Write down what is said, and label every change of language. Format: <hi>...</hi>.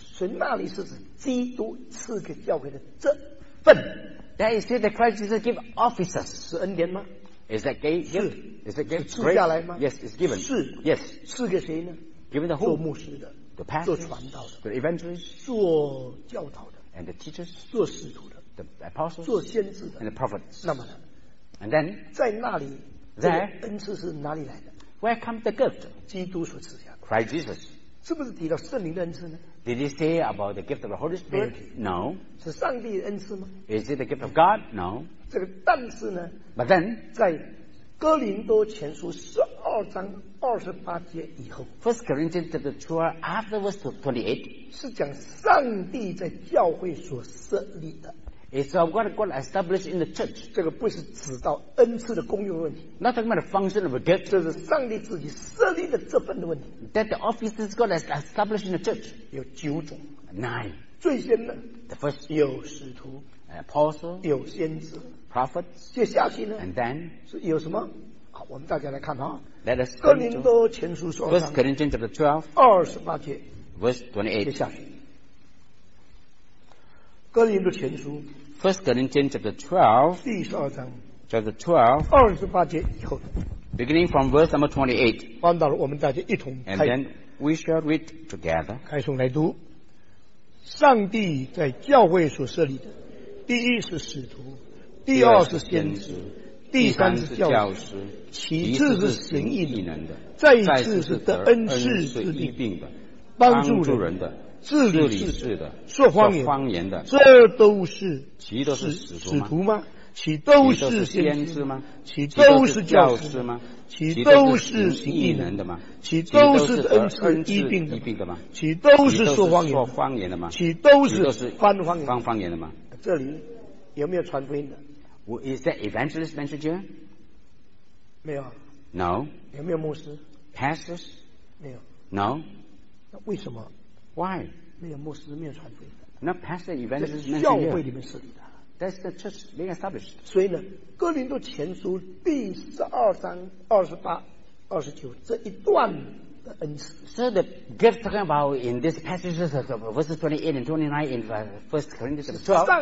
<zh>所以那里是指基督赐给教会的这份</zh> <en>that is it that Christ Jesus give offices</en> <zh>是恩典吗</zh> <en>is that gift is that gift</en> <zh>是赐下来吗</zh> <en>yes it's given</en> <zh>是</zh> <en>yes</en> <zh>赐给谁呢</zh> <en>given to whom</en> <zh>做牧师的</zh> <en>The pastors,</en> <zh>做传道的</zh> <en>the evangelists,</en> <zh>做教导的</zh> <en>and the teachers,</en> <zh>做使徒的</zh> <en>the apostles,</en> <zh>做先知的</zh> <en>and the prophets.</en> <zh>那么呢</zh> <en>and then,</en> <zh>在那里</zh> <en>there,</en> <zh>这个恩赐是哪里来的</zh> <en>where come the gift?</en> <zh>基督所赐下的</zh> <en>Christ Jesus.</en> <zh>是不是提到圣灵的恩赐呢</zh> <en>Did he say about the gift of the Holy Spirit? No.</en> <zh>是上帝的恩赐吗</zh> <en>Is it the gift of God? No.</en> <zh>这个但是呢</zh> <en>But then,</en> <zh>在哥林多前书十二章二十八节以后</zh> <en>First Corinthians chapter 2 after verse 28</en> <zh>是讲上帝在教会所设立的</zh> <en>It's what God established in the church</en> <zh>这个不是指到恩赐的功用问题</zh> <en>Not talking about the function of a gift</en> <zh>这是上帝自己设立的这份的问题</zh> <en>That the offices God has established in the church</en> <zh>有九种</zh> <en>Nine</en> <zh>最先呢</zh> <en>The first</en> <zh>有使徒</zh> <en>Apostle</en> <zh>有先知</zh> <en>Prophets,</en> <zh>接下去呢</zh> <en>and then,</en> <zh>是有什么好我们大家来看哈</zh> <en>Let us</en> <zh>哥林多前书说</zh> <en>First Corinthians chapter 12</en> <zh>28节</zh> <en>Verse 28</en> <zh>接下去哥林多前书</zh> <en>First Corinthians chapter 12</en> <zh>第十二章</zh> <en>chapter 12</en> <zh>28节以后</zh> <en>beginning from verse number 28</en> <zh>帮到了我们大家一同</zh> <en>and then we shall read together</en> <zh>开诵来读上帝在教会所设立的第一是使徒第二是先知第三是教师其次是行义能的再次是得恩赐治理病的帮助人的治理事的说方言的这都是其都是使徒吗其都是先知吗其都是教师吗其都是行义能的吗其都是得恩赐医病的吗其都是说方言的吗其都是翻方言方言的吗这里有没有传福音的</zh> <en>Is that evangelist mentioned here?</en> <zh>没有</zh> <en>No</en> <zh>有没有牧师</zh> <en>Pastors?</en> <zh>没有</zh> <en>No</en> <zh>那为什么</zh> <en>Why?</en> <zh>没有牧师没有传福音的</zh> <en>Not pastor evangelist mentioned here</en> <zh>在教会里面设立的</zh> <en>That's the church being established</en> <zh>所以呢哥林多前书第十二章二十八二十九这一段的恩赐</zh> <en>So the gift talking about in this passage of verses 28 and 29 in 1 Corinthians 12</en> <zh>是</zh>